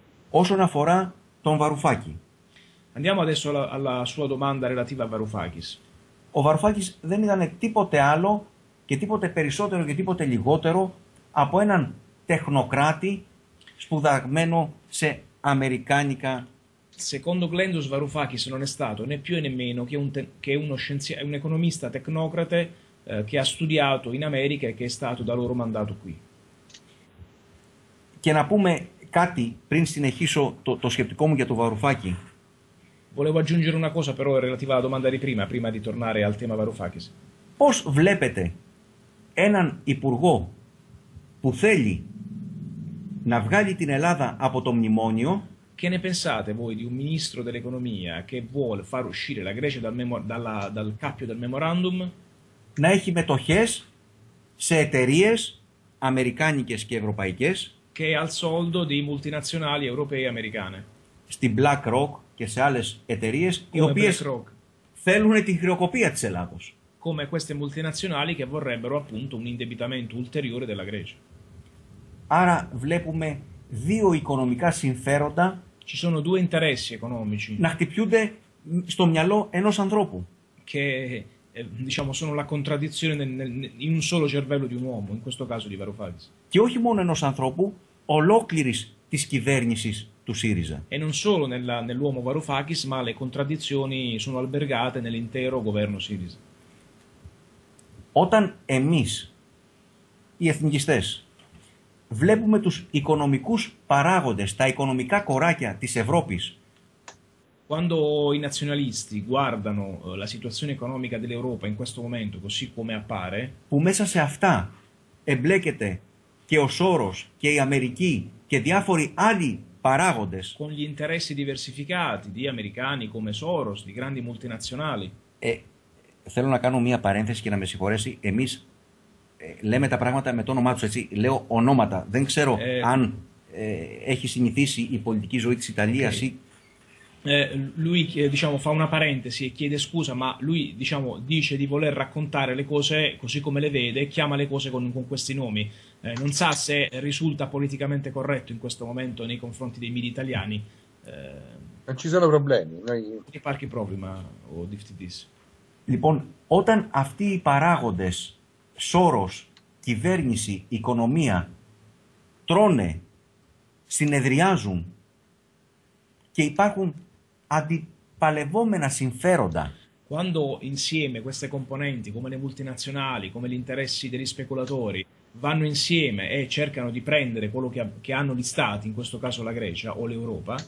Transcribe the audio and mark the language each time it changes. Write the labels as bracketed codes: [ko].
[el] Όσον αφορά τον Βαρουφάκη. [it] Andiamo adesso alla sua domanda relativa a Varoufakis. [el] Ο Βαρουφάκης δεν ήταν τίποτε άλλο και τίποτε περισσότερο και τίποτε λιγότερο από έναν τεχνοκράτη σπουδαγμένο σε αμερικάνικα. [it] Secondo Glendos Varoufakis non è stato né più né meno che un economista tecnocrate che ha studiato in America e che è stato da loro mandato qui. [el] Και να πούμε κάτι πριν συνεχίσω το σκεπτικό μου για τον Βαρουφάκη. [it] Volevo aggiungere una cosa però relativa alla domanda di prima di tornare al tema Varoufakis. [el] Πώς βλέπετε έναν υπουργό που θέλει να βγάλει την Ελλάδα από το μνημόνιο? [it] Che ne pensate voi di un ministro dell'economia che vuole far uscire la Grecia dal cappio del memorandum? [el] Να έχει μετοχές σε εταιρείες αμερικάνικες και ευρωπαϊκές. [it] Che è al soldo di multinazionali europee e americane. [el] Στην BlackRock και σε άλλες εταιρείες [it] come [el] οι οποίες θέλουν τη χρεοκοπία της Ελλάδος. [it] Come queste multinazionali che vorrebbero appunto un indebitamento ulteriore della Grecia. [el] Άρα βλέπουμε δύο οικονομικά συμφέροντα. [it] Ci sono due interessi economici. [el] Να χτυπιούνται στο μυαλό ενός ανθρώπου. [it] Che diciamo sono la contraddizione in un solo cervello di un uomo, in questo caso di Varoufakis. [el] Και όχι μόνο ενός ανθρώπου, ολόκληρης της κυβέρνησης. [it] E non solo nell'uomo Varoufakis, ma le contraddizioni sono albergate nell'intero governo ΣΥΡΙΖΑ. [el] Όταν εμείς, οι εθνικιστές, βλέπουμε τους οικονομικούς παράγοντες, τα οικονομικά κοράκια της Ευρώπης, [it] quando i nazionalisti guardano la situazione economica dell'Europa in questo momento, così come appare, [el] που μέσα σε αυτά εμπλέκεται και ο Σόρος και η Αμερική και διάφοροι άλλοι παράγοντες. [it] Con gli interessi diversificati di americani come Soros, di grandi multinazionali. [el] Θέλω να κάνω μία παρένθεση και να με συγχωρέσει. Εμείς λέμε τα πράγματα με το όνομά τους, έτσι. Λέω ονόματα. Δεν ξέρω αν έχει συνηθίσει η πολιτική ζωή της Ιταλίας ή... [it] Lui diciamo fa una parentesi e chiede scusa, ma lui diciamo dice di voler raccontare le cose così come le vede e chiama le cose con questi nomi. Non sa se risulta politicamente corretto in questo momento nei confronti dei media italiani. Non ci sono problemi. Noi... Che parchi problema o diftitis? [el] Λοιπόν, όταν αυτοί οι παράγοντες, Σόρος, κυβέρνηση, οικονομία, τρώνε, συνεδριάζουν και υπάρχουν αντιπαλευόμενα συμφέροντα. [it] Quando insieme queste componenti, come le multinazionali, come gli interessi degli speculatori, vanno insieme e cercano di prendere quello che hanno gli stati, in questo caso la Grecia o l'Europa,